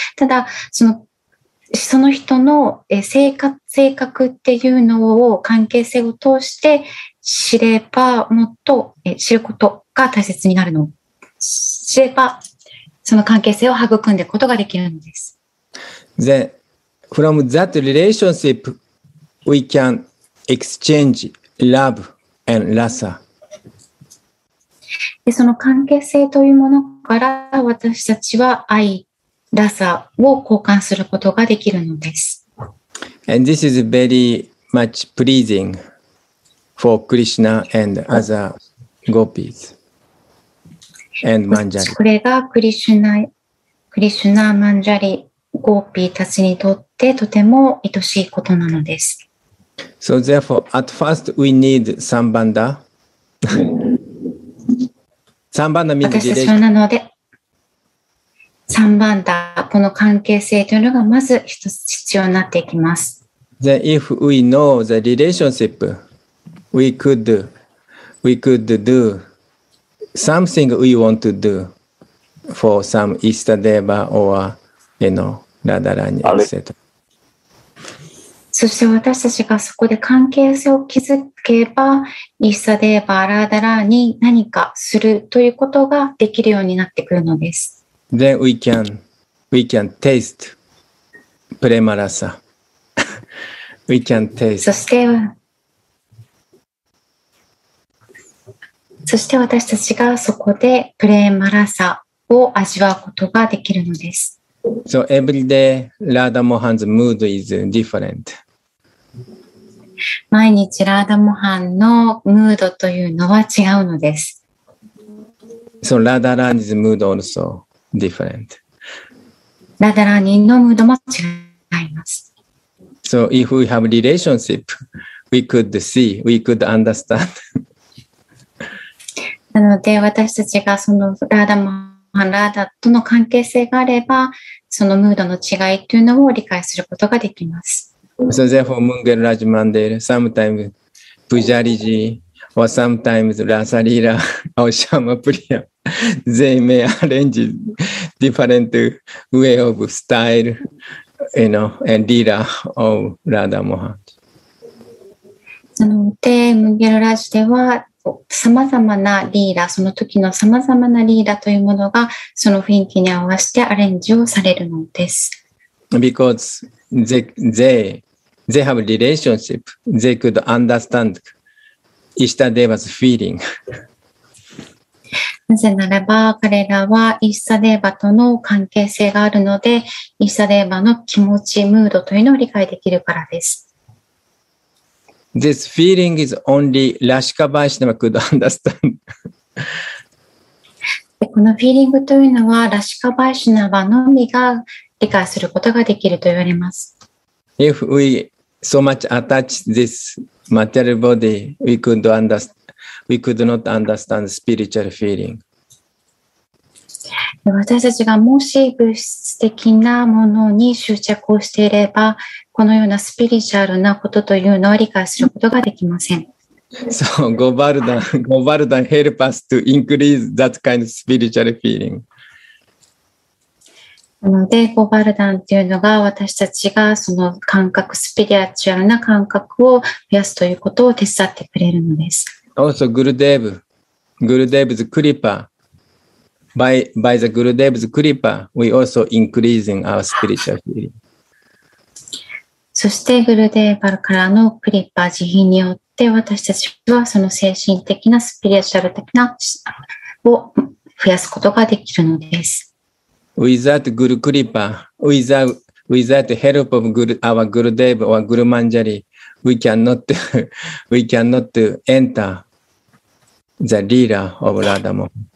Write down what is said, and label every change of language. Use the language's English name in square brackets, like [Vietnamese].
[Japanese] ただその人の性格っていうのを関係性を通して知ればもっと知ることが大切になるの。知ればその関係性を育んでいくことができるんです。 [English] Then, from that relationship, we can exchange love and rasa. [Japanese] で、その関係性というものから私たちは愛、ラサを交換することができるのです。 [English] And this is very much pleasing for Krishna and other gopis and Manjari. [Japanese] これがクリシュナ、マンジャリ、ゴーピーたちにとってとても愛しいことなのです。 [English] So therefore, at first we need Sambandha. Sambandha means relationship. [Japanese] 三番だ。この関係性というのがまず一つ必要になっていきます。 [English] Then if we know the relationship, we could do something we want to do for some Ishtadeva or, you know, Radharani, etc. [Japanese] そして私たちがそこで関係性を築けば、Ishtadeva、Radharani に何かするということができるようになってくるのです。 [English] Then we can taste prema rasa. We can taste. [Japanese] そして私たちがそこでプレマラサを味わうことができるのです。 [English] So every day, Radha Mohan's mood is different. [Japanese] 毎日 Radha Mohan のムードというのは違うのです。 [English] So Radha Rani's mood also. Different. [Japanese] ラダラニのムードも違います。 [English] So if we have relationship, we could see, we could understand. [Japanese] なので私たちがそのラダマハンラダとの関係性があれば、そのムードの違いというのを理解することができます。 [English] So therefore, Mungel Raj Mandel, sometimes Pujariji, or sometimes Rasalila, or Shyamapriya. They may arrange different way of style, you know, and lila of Radha Mohan. [Japanese] なので、ムゲルラジでは、さまざまなリーラ、その時のさまざまなリーラというものが、その雰囲気に合わせてアレンジをされるのです。 [English] Because they have a relationship, they could understand Ishtadeva's feeling. [Japanese] なぜならば彼らはイッサデーバとの関係性があるのでイッサデーバの気持ち、ムードというのを理解できるからです。 [English] This feeling is only Rashika Vaishnava could understand. [Japanese] このフィーリングというのはラシカバイシナバのみが理解することができると言われます。 [English] If we so much attach this material body, we could understand. We could not understand spiritual feeling. [Japanese] 私たちがもし物質的なものに執着をしていれば、このようなスピリチュアルなことというのは理解することができません。 [English] So Govardhan help us to increase that kind of spiritual feeling. [Japanese] なのでゴバルダンというのが私たちがその感覚、スピリチュアルな感覚を増やすということを手伝ってくれるのです。 [English] Also Gurudev's Kripa. By the Gurudev's Kripa, we also increasing our spiritual feeling. [Japanese] そしてグルデーバルからのクリッパー慈悲によって私たちはその精神的なスピリチュアル的なを増やすことができるのです。 [English] Without Guru Kripa, without the help of our Guru Dev or Guru Manjari, we cannot enter the Leela of Radha Mohan.